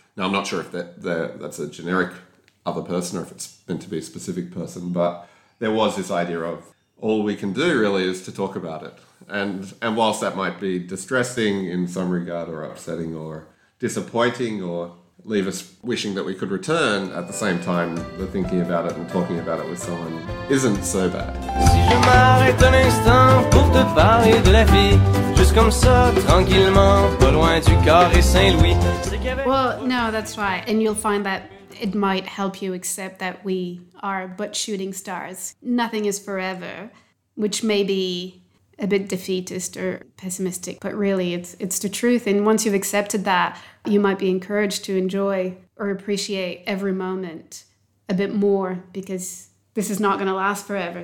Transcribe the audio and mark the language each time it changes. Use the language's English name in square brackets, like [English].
[English] Now, I'm not sure if that's a generic other person or if it's meant to be a specific person, but there was this idea of all we can do really is to talk about it. And whilst that might be distressing in some regard or upsetting or disappointing or leave us wishing that we could return, at the same time, the thinking about it and talking about it with someone isn't so bad. [French] Si je m'arrête un instant pour te parler de la vie, juste comme ça, tranquillement, pas loin du carré Saint-Louis. [English] Well, no, that's right. And you'll find that it might help you accept that we are but shooting stars. Nothing is forever, which may be a bit defeatist or pessimistic, but really it's the truth. And once you've accepted that, you might be encouraged to enjoy or appreciate every moment a bit more, because this is not going to last forever.